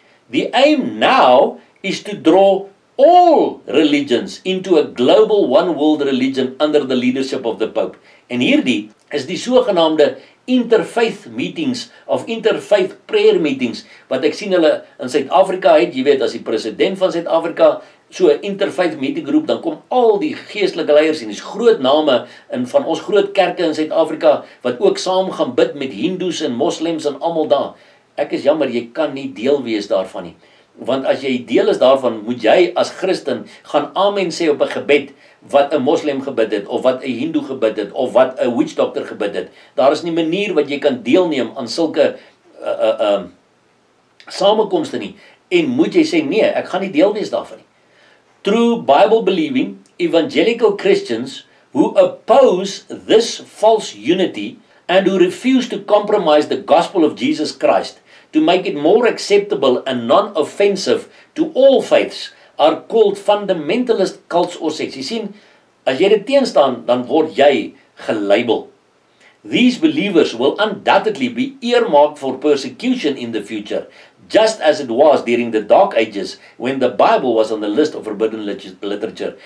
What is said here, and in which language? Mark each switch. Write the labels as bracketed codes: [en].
[en] The aim now is to draw all religions into a global one world religion under the leadership of the Pope. [af] En hierdie is die sogenaamde interfaith meetings of interfaith prayer meetings wat ek sien hulle in Suid-Afrika het, jy weet as die president van Suid-Afrika so 'n interfaith meeting roep, dan kom al die geestelike leiers en die groot name in van ons groot kerke in Suid-Afrika wat ook saam gaan bid met hindoes en moslems en almal daar. Ek is jammer, jy kan nie deel wees daarvan nie. Want as jy deel is daarvan, moet jy as Christen gaan amen sê op 'n gebed wat 'n moslem gebid het, of wat 'n hindoe gebid het, of wat 'n witch doctor gebid het. Daar is nie manier wat jy kan deelneem aan sulke samekomste nie. En moet jy sê, nee, ek gaan nie deel wees daarvan nie. [en] True Bible-believing evangelical Christians who oppose this false unity and who refuse to compromise the gospel of Jesus Christ to make it more acceptable and non-offensive to all faiths are called fundamentalist cults or sects. You see, [af] as jy dit teenstaan, dan word jy gelabel. [en] These believers will undoubtedly be earmarked for persecution in the future, just as it was during the Dark Ages when the Bible was on the list of forbidden literature.